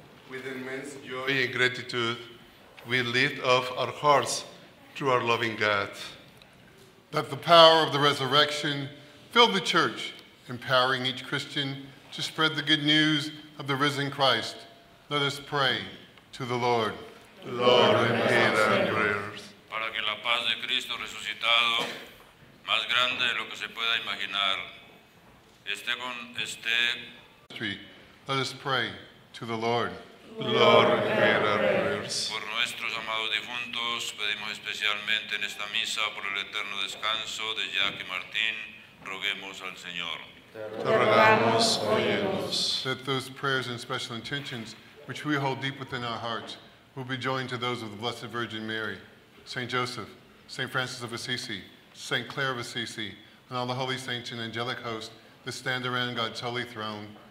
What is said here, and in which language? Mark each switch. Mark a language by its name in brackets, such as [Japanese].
[English] With immense joy and gratitude, we lift up our hearts to our loving God. Let the power of the resurrection fill the church, empowering each Christian to spread the good news of the risen Christ. Let us pray to the Lord. Lord, hear our prayers. [Spanish] Para que la paz de Cristo resucitado, más grande de lo que se pueda imaginar, esté con este. [English] Let us pray to the Lord. Lord, hear our prayers. [Spanish] Por nuestros amados difuntos, pedimos especialmente en esta misa por el eterno descanso de Jack y Martín, roguemos al Señor. Te rogamos, óyenos. [English] Let those prayers and special intentions, which we hold deep within our hearts, will be joined to those of the Blessed Virgin Mary, Saint Joseph, Saint Francis of Assisi, Saint Clare of Assisi, and all the holy saints and angelic hosts that stand around God's holy throne.